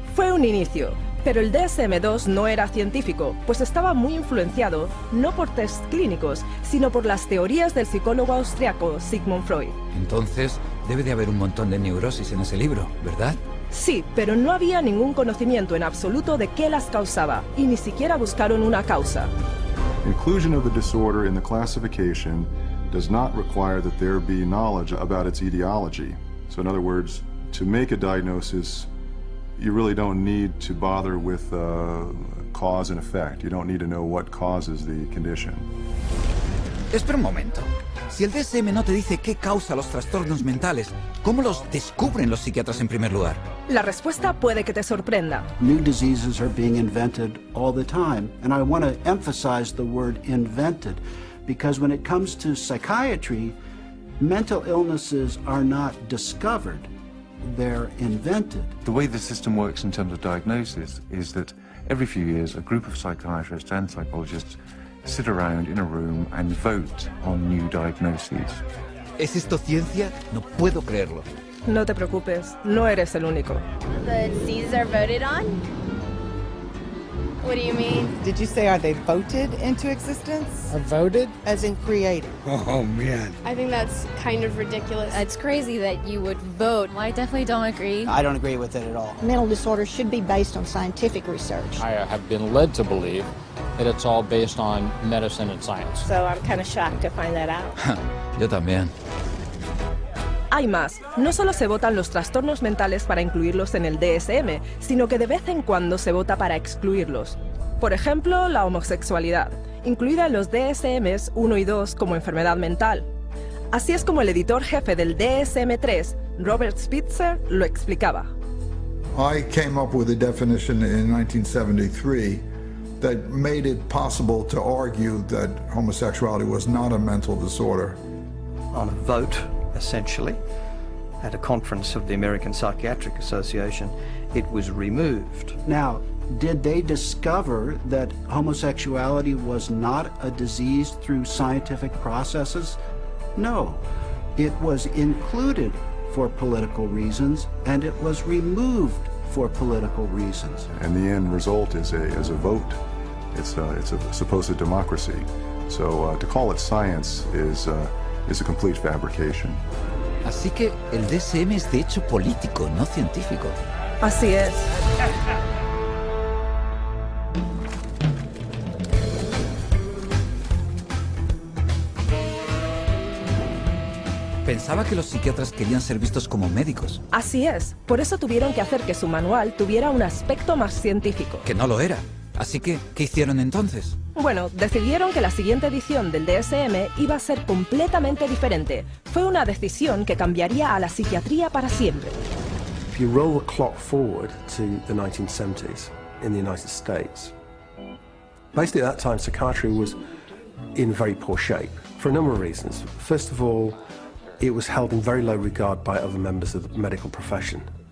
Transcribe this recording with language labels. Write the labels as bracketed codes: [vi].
[es] Fue un inicio, pero el DSM-2 no era científico, pues estaba muy influenciado, no por tests clínicos, sino por las teorías del psicólogo austriaco Sigmund Freud. Entonces, debe de haber un montón de neurosis en ese libro, ¿verdad? Sí, pero no había ningún conocimiento en absoluto de qué las causaba, y ni siquiera buscaron una causa. [en] Inclusion of the disorder in the classification does not require that there be knowledge about its etiology. So in other words, to make a diagnosis, you really don't need to bother with cause and effect. You don't need to know what causes the condition. [es] Espera un momento. Si el DSM no te dice qué causa los trastornos mentales, ¿cómo los descubren los psiquiatras en primer lugar? La respuesta puede que te sorprenda. [en] New diseases are being invented all the time, and I want to emphasize the word invented, because when it comes to psychiatry, mental illnesses are not discovered, they're invented. The way the system works in terms of diagnosis is that every few years, a group of psychiatrists and psychologists sit around in a room and vote on new diagnoses. [es] ¿Es esto ciencia? No puedo creerlo. No te preocupes, no eres el único. [en] The diseases are voted on? What do you mean? Did you say are they voted into existence? Are voted? As in created. Oh, man. I think that's kind of ridiculous. It's crazy that you would vote. Well, I definitely don't agree. I don't agree with it at all. Mental disorders should be based on scientific research. I have been led to believe that it's all based on medicine and science. So I'm kind of shocked to find that out. [es] Yo también. Hay más. No solo se votan los trastornos mentales para incluirlos en el DSM, sino que de vez en cuando se vota para excluirlos. Por ejemplo, la homosexualidad, incluida en los DSMs 1 y 2 como enfermedad mental. Así es como el editor jefe del DSM-3, Robert Spitzer, lo explicaba. [en] I came up with a definition in 1973 that made it possible to argue that homosexuality was not a mental disorder. On a vote, essentially, at a conference of the American Psychiatric Association, it was removed. Now, did they discover that homosexuality was not a disease through scientific processes? No. It was included for political reasons, and it was removed for political reasons. And the end result is a vote. It's a supposed democracy. So to call it science is a complete fabrication. [es] Así que el DSM es de hecho político, no científico. Así es. Pensaba que los psiquiatras querían ser vistos como médicos. Así es. Por eso tuvieron que hacer que su manual tuviera un aspecto más científico. Que no lo era. Así que, ¿qué hicieron entonces? Bueno, decidieron que la siguiente edición del DSM iba a ser completamente diferente. Fue una decisión que cambiaría a la psiquiatría para siempre. [en] If you roll the clock forward to the 1970s in the United States, basically at that time psychiatry was in very poor shape for a number of reasons. First of all, it was held in very low regard by other members of the medical profession.